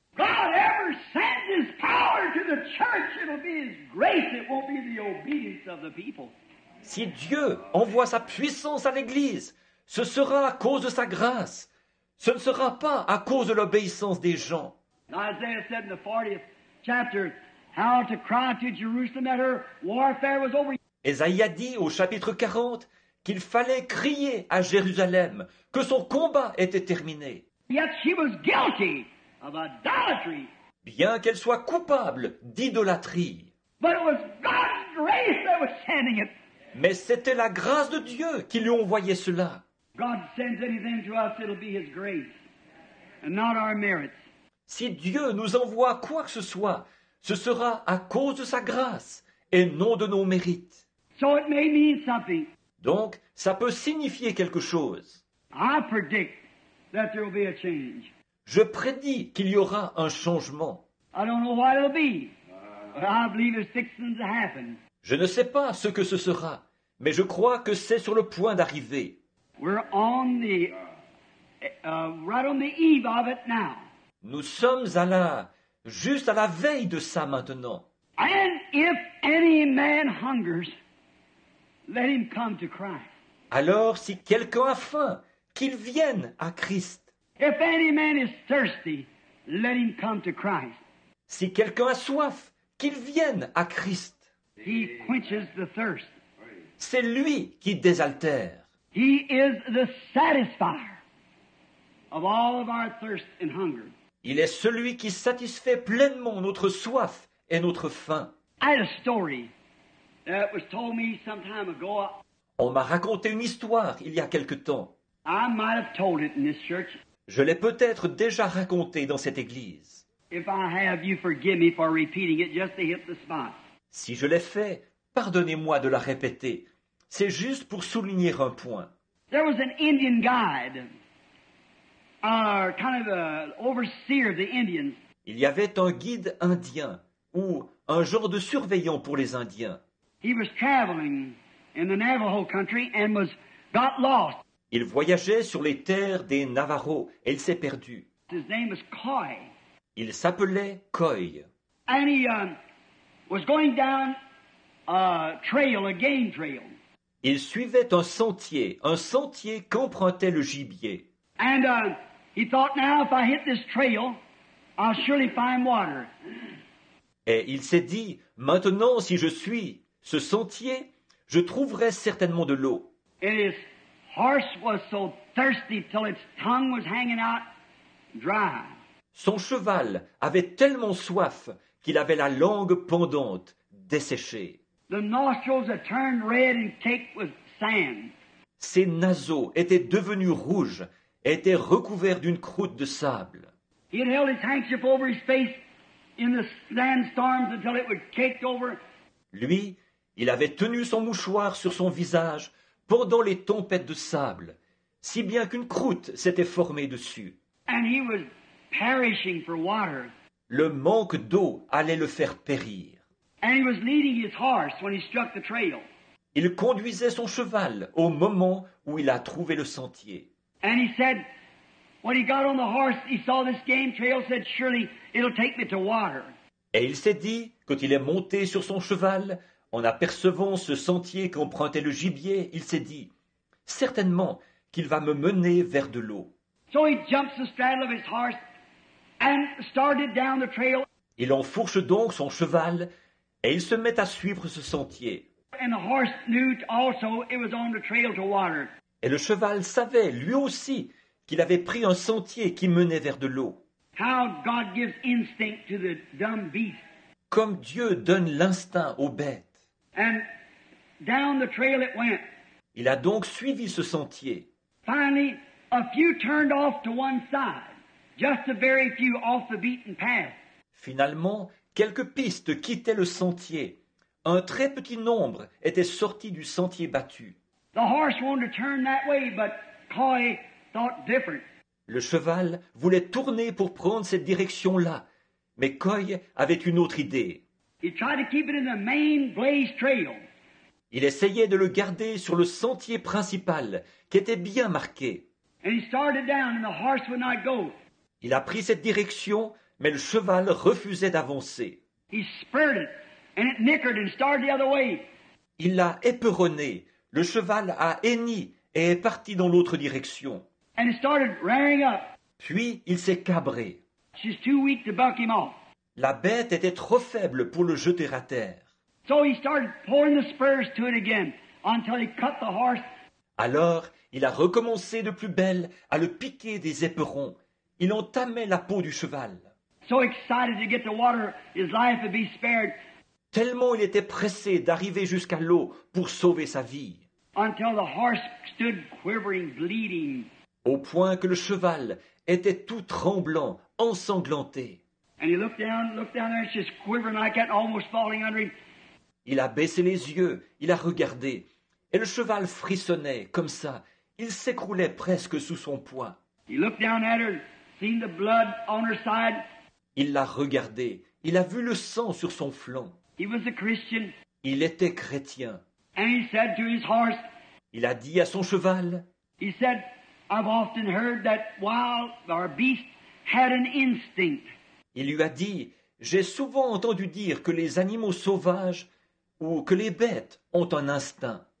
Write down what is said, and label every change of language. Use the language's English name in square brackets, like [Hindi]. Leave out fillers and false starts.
[English] God ever sends his power to the church, it'll be his grace, it won't be the obedience of the people. [French] Si Dieu envoie sa puissance à l'Église, ce sera à cause de sa grâce. Ce ne sera pas à cause de l'obéissance des gens. [English] Isaiah said in the 40th chapter how to cry to Jerusalem that her warfare was over. [French] Esaïe a dit au chapitre 40 qu'il fallait crier à Jérusalem que son combat était terminé. [English] Yet she was guilty of idolatry. [French] Bien qu'elle soit coupable d'idolâtrie. [English] But it was God's grace that was sending it. [French] Mais c'était la grâce de Dieu qui lui envoyait cela. [English] God sends anything to us, it'll be his grace, and not our merits. [French] Si Dieu nous envoie quoi que ce soit, ce sera à cause de sa grâce et non de nos mérites. [English] So it may mean something. [French] Donc, ça peut signifier quelque chose. [English] I predict that there will be a change. [French] Je prédis qu'il y aura un changement. [English] I don't know what it'll be, but I believe it's fixing to happen. [French] Je ne sais pas ce que ce sera, mais je crois que c'est sur le point d'arriver. [English] We're on the, right on the eve of it now. [French] Nous sommes à la, juste à la veille de ça maintenant. [English] And if any man hungers, let him come to Christ. [French] Alors si quelqu'un a faim, qu'il vienne à Christ. [English] If any man is thirsty, let him come to Christ. [French] Si quelqu'un a soif, qu'il vienne à Christ. [English] He quenches the thirst. [French] C'est lui qui désaltère. [English] He is the satisfier of all of our thirst and hunger. [French] Il est celui qui satisfait pleinement notre soif et notre faim. [English] I had a story that was told me some time ago. [French] On m'a raconté une histoire il y a quelque temps. [English] I might have told it in this church. [French] Je l'ai peut-être déjà raconté dans cette église. [English] If I have, you forgive me for repeating it just to hit the spot. [French] Si je l'ai fait, pardonnez-moi de la répéter. C'est juste pour souligner un point. [English] There was an Indian guide, kind of a overseer of the Indians. [French] Il y avait un guide indien, ou un genre de surveillant pour les Indiens. [English] He was traveling in the Navajo country and was got lost. [French] Il voyageait sur les terres des Navajos et il s'est perdu. [English] His name was Coy. [French] Il s'appelait Coy. [English] And he, was going down a trail, a game trail. [French] Il suivait un sentier qu'empruntait le gibier. [English] And he thought, now if I hit this trail, I'll surely find water. [French] Et il s'est dit, maintenant si je suis ce sentier, je trouverai certainement de l'eau. [English] And his horse was so thirsty till its tongue was hanging out dry. [French] Son cheval avait tellement soif qu'il avait la langue pendante, desséchée. [English] The nostrils had turned red and caked with sand. [French] Ses naseaux étaient devenus rouges et étaient recouverts d'une croûte de sable. [English] He had held his handkerchief over his face in the sandstorms until it was caked over. [French] Lui, il avait tenu son mouchoir sur son visage pendant les tempêtes de sable, si bien qu'une croûte s'était formée dessus. [English] And he was perishing for water. [French] Le manque d'eau allait le faire périr. [English] And he was leading his horse when he struck the trail. [French] Il conduisait son cheval au moment où il a trouvé le sentier. [English] And he said, when he got on the horse, he saw this game trail, said, surely it'll take me to water. [French] Et il s'est dit, quand il est monté sur son cheval, en apercevant ce sentier qu'empruntait le gibier, il s'est dit, certainement, qu'il va me mener vers de l'eau. [English] So he jumps the straddle of his horse and started down the trail. [French] Il enfourche donc son cheval et il se met à suivre ce sentier. [English] And the horse knew also it was on the trail to water. [French] Et le cheval savait, lui aussi, qu'il avait pris un sentier qui menait vers de l'eau. [English] How God gives instinct to the dumb beast. [French] Comme Dieu donne l'instinct aux bêtes. [English] And down the trail it went. [French] Il a donc suivi ce sentier. [English] Finally, a few turned off to one side, just a very few off the beaten path. [French] Finalement, quelques pistes quittaient le sentier. Un très petit nombre était sorti du sentier battu. [English] The horse wanted to turn that way, but Coy thought different. [French] Le cheval voulait tourner pour prendre cette direction-là, mais Coy avait une autre idée. [English] He tried to keep it in the main blaze trail. [French] Il essayait de le garder sur le sentier principal, qui était bien marqué. [English] And he started down and the horse would not go. [French] Il a pris cette direction, mais le cheval refusait d'avancer. [English] He spurted and it nickered and started the other way. [French] Il l'a éperonné. Le cheval a henni et est parti dans l'autre direction. [English] And it started rearing up. [French] Puis il s'est cabré. [English] She's too weak to buck him off. [French] La bête était trop faible pour le jeter à terre. [English] So he started pouring the spurs to it again until he cut the horse. [French] Alors, il a recommencé de plus belle à le piquer des éperons. Il entamait la peau du cheval. [English] So excited to get to water, his life would be spared. [French] Tellement il était pressé d'arriver jusqu'à l'eau pour sauver sa vie. [English] Until the horse stood quivering, bleeding. [French] Au point que le cheval était tout tremblant, ensanglanté. [English] And he looked down there, just quivering like that, almost falling under him. [French] Il a baissé les yeux, il a regardé, et le cheval frissonnait comme ça. Il s'écroulait presque sous son poids. [English] He looked down at her, seen the blood on her side. [French] Il l'a regardé, il a vu le sang sur son flanc. [English] He was a Christian. [French] Il était chrétien. [English] And he said to his horse, [French] il a dit à son cheval, [English] he said, I've often heard that while our beast had an instinct. [French] Il lui a dit, j'ai souvent entendu dire que les animaux sauvages ou que les bêtes ont un instinct.